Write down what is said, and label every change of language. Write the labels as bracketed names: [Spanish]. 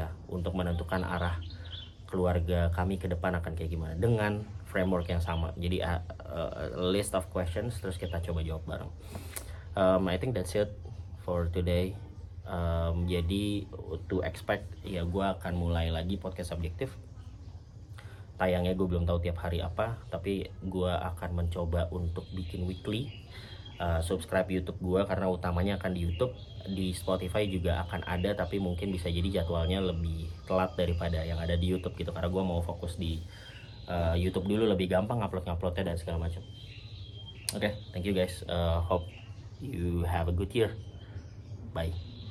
[Indonesian] Untuk menentukan arah keluarga kami ke depan akan kayak gimana, dengan framework yang sama. Jadi [English] list of questions, [Indonesian] terus kita coba jawab bareng. [English] I think that's it for today. [Indonesian] Jadi [English] to expect, [Indonesian] ya gue akan mulai lagi podcast objektif. Tayangnya gue belum tahu tiap hari apa, tapi gue akan mencoba untuk bikin weekly. Subscribe YouTube gue, karena utamanya akan di YouTube. Di Spotify juga akan ada, tapi mungkin bisa jadi jadwalnya lebih telat daripada yang ada di YouTube gitu, karena gue mau fokus di YouTube dulu, lebih gampang upload-uploadnya dan segala macam. [English] Okay, thank you guys. Hope you have a good year. Bye.